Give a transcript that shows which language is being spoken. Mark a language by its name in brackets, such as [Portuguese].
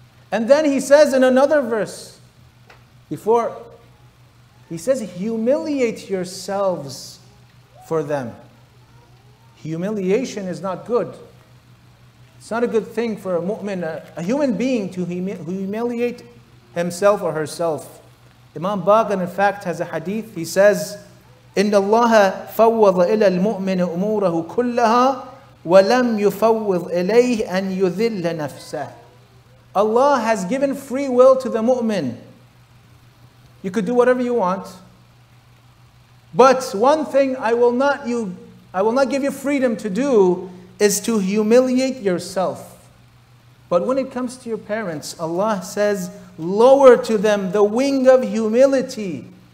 [English] And then He says in another verse, before, He says, humiliate yourselves for them. Humiliation is not good. It's not a good thing for a mu'min, a human being, to humiliate himself or herself. Imam Baghan, in fact, has a hadith. He says, [Arabic] إِنَّ اللَّهَ فَوَّضَ إِلَى الْمُؤْمِنِ أُمُورَهُ كُلَّهَا وَلَمْ يُفَوِّضْ إِلَيْهِ أَنْ يُذِلَّ نَفْسَهُ. [English] Allah has given free will to the mu'min. You could do whatever you want. But one thing I will not give you freedom to do is to humiliate yourself. But when it comes to your parents, Allah says, lower to them the wing of humility.